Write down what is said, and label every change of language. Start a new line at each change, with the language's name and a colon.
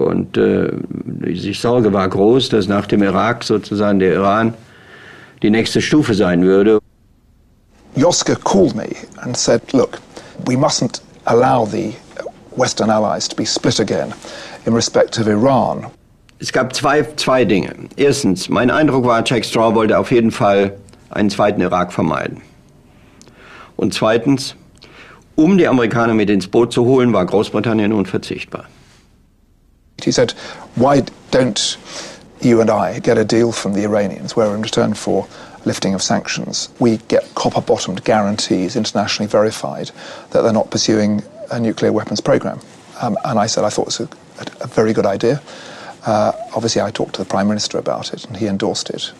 German: Und die Sorge war groß, dass nach dem Irak sozusagen der Iran die nächste Stufe sein würde.
English: Josker called me and said, look, we mustn't allow the Western allies to be split again in respect of Iran.
German: Es gab zwei Dinge. Erstens, mein Eindruck war, Jack Straw wollte auf jeden Fall einen zweiten Irak vermeiden. Und zweitens, um die Amerikaner mit ins Boot zu holen, war Großbritannien unverzichtbar.
English: He said, why don't you and I get a deal from the Iranians where in return for lifting of sanctions, we get copper-bottomed guarantees, internationally verified, that they're not pursuing a nuclear weapons program. And I said, I thought it was a very good idea. Obviously, I talked to the Prime Minister about it, and he endorsed it.